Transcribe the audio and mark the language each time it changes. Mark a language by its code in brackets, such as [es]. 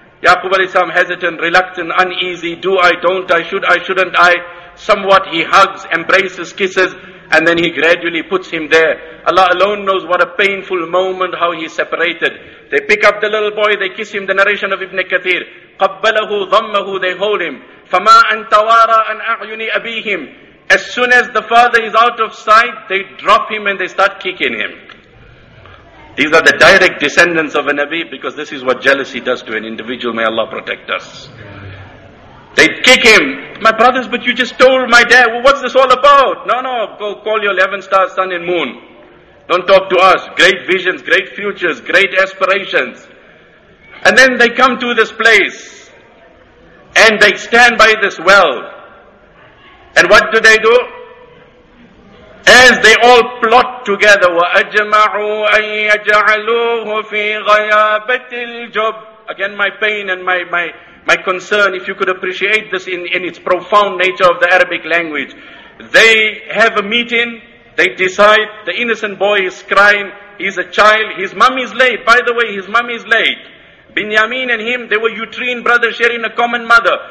[en] Yaqub alayhi salam, hesitant, reluctant, uneasy, do I, don't I, should I, shouldn't I? Somewhat he hugs, embraces, kisses, and then he gradually puts him there. Allah alone knows what a painful moment, how he separated. They pick up the little boy, they kiss him, the narration of Ibn Kathir. [ar] قَبَّلَهُ ضَمَّهُ. [en] They hold him. [ar] فَمَا أَنْ تَوَارَى أَنْ أَعْيُنِ أَبِيهِمْ. [en] As soon as the father is out of sight, they drop him and they start kicking him. These are the direct descendants of a Nabi, because this is what jealousy does to an individual. May Allah protect us. They kick him. My brothers, but you just told my dad. Well, what's this all about? No, go call your 11 star sun and moon. Don't talk to us. Great visions, great futures, great aspirations. And then they come to this place and they stand by this well. And what do they do? As they all plot together, [ar] وَأَجْمَعُوا أَن يَجْعَلُوهُ فِي غَيَابَةِ الْجُبِّ. [en] Again, my pain and my concern, if you could appreciate this in its profound nature of the Arabic language. They have a meeting, they decide, the innocent boy is crying, he's a child, his mum is late. By the way, his mum is late. Binyamin and him, they were uterine brothers sharing a common mother.